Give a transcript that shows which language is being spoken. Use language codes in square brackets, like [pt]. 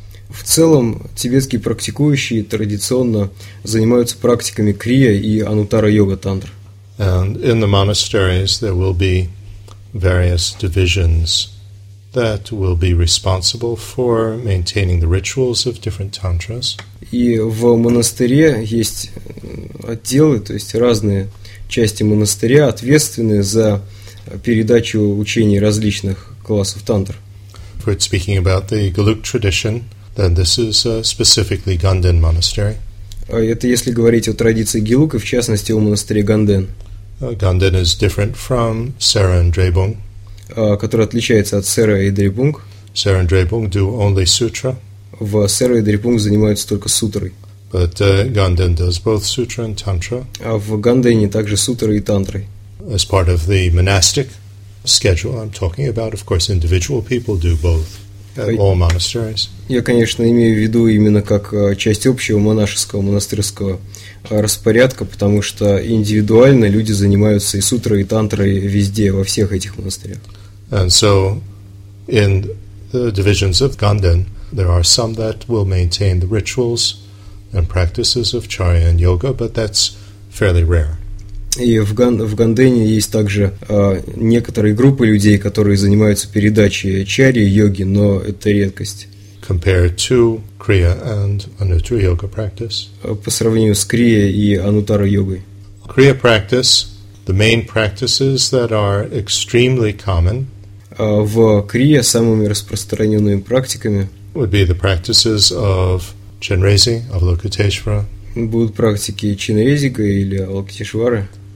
[ru] В целом тибетские практикующие традиционно занимаются практиками крия и анутара йога тантр. [en] And in the monasteries there will be various divisions that will be responsible for maintaining the rituals of different tantras. [ru] И в монастыре есть отделы, то есть разные части монастыря, ответственные за передачу учений различных классов тантр. [en] If we're speaking about the Geluk tradition, then this is specifically Ganden monastery. [ru] Это если говорить о традиции Гелук, и в частности о монастыре Ганден. [en] Ганден is different from Sera and Drebung. [ru] Который отличается от Сера и Дрейбунг. [en] Sera and Drebung do only sutra. [ru] В Сера и Дрейбунг занимаются только сутрой. [en] But Ganden does both sutra and tantra. [ru] А в Гандене также сутра и тантры. [en] As part of the monastic schedule I'm talking about, of course, individual people do both at all monasteries. [ru] Я, конечно, имею в виду именно как часть общего монашеского, монастырского распорядка, потому что индивидуально люди занимаются и сутрой, и тантрой везде, во всех этих монастырях. [en] And so, in the divisions of Ganden, there are some that will maintain the rituals and practices of Charya and Yoga, but that's fairly rare. [ru] И в Гандене есть также некоторые группы людей, которые занимаются передачей чари, йоги, но это редкость. [en] Compared to Kriya and Anuttara Yoga practice. [ru] По сравнению с Крия и Анутара йогой. [en] Kriya practice, the main practices that are extremely common. [ru] В Крия самыми распространенными практиками. [en] Would be the practices of Chenrezig, Avalokiteshvara. [ru] Будут практики Чинрезига или Авалокитешвары.